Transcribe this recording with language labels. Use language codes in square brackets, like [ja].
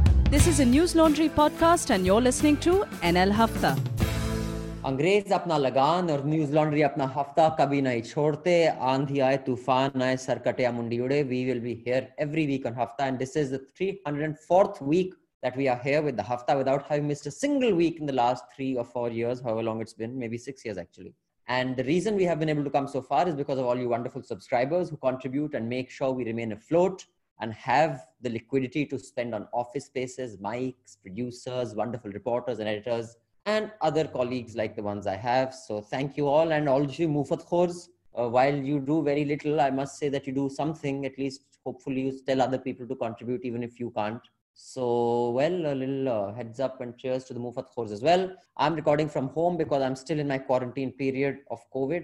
[en] This is a News Laundry podcast and you're listening to NL Hafta. [hi] अंग्रेज अपना लगान और न्यूज लॉन्ड्री अपना हफ्ता कभी नहीं छोड़ते आंधी आए तूफान आए सरकटे या मुंडी उड़े [en] We will be here every week on Hafta and this is the 304th week that we are here with the Hafta without having missed a single week in the last 3 और 4 years however long it's been may be 6 years actually and the reason we have been able to come so far is because of all you wonderful subscribers who contribute and make sure we remain afloat and have the liquidity to spend on office spaces, mics, producers, wonderful reporters and editors, and other colleagues like the ones I have. So thank you all, and all you Mufat Khors, while you do very little, I must say that you do something, at least hopefully you tell other people to contribute, even if you can't. So, well, a little heads up and cheers to the Mufat Khors as well. I'm recording from home because I'm still in my quarantine period of COVID.